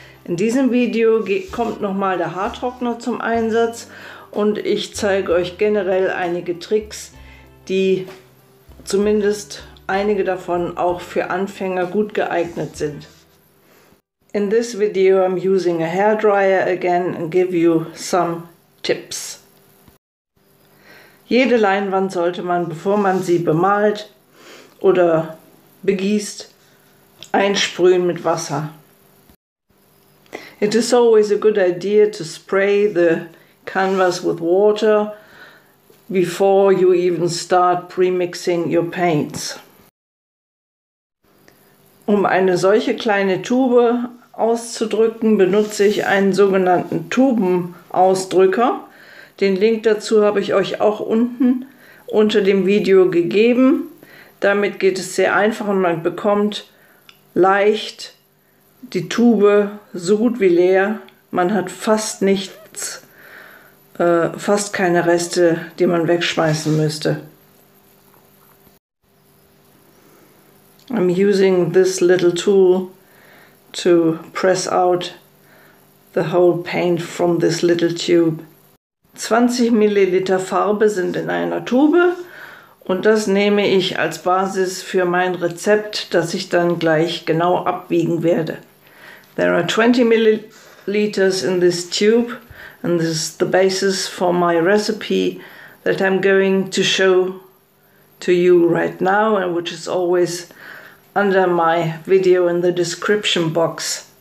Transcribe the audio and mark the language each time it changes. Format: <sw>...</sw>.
<de>In diesem Video kommt nochmal der Haartrockner zum Einsatz und ich zeige euch generell einige Tricks, die zumindest einige davon auch für Anfänger gut geeignet sind.</de> <en>In this video I'm using a hairdryer again and give you some tips.</en> <de>Jede Leinwand sollte man, bevor man sie bemalt oder begießt, einsprühen mit Wasser.</de> <en>It is always a good idea to spray the canvas with water before you even start pre-mixing your paints.</en> <de>Um eine solche kleine Tube auszudrücken, benutze ich einen sogenannten Tubenausdrücker. Den Link dazu habe ich euch auch unten unter dem Video gegeben. Damit geht es sehr einfach und man bekommt leicht die Tube so gut wie leer. Man hat fast nichts, fast keine Reste, die man wegschmeißen müsste.</de> <en>I'm using this little tool to press out the whole paint from this little tube.</en> <de>20 Milliliter Farbe sind in einer Tube. Und das nehme ich als Basis für mein Rezept, das ich dann gleich genau abwiegen werde.</de> <en>There are 20 milliliters in this tube and this is the basis for my recipe that I'm going to show to you right now and which is always under my video in the description box.</en>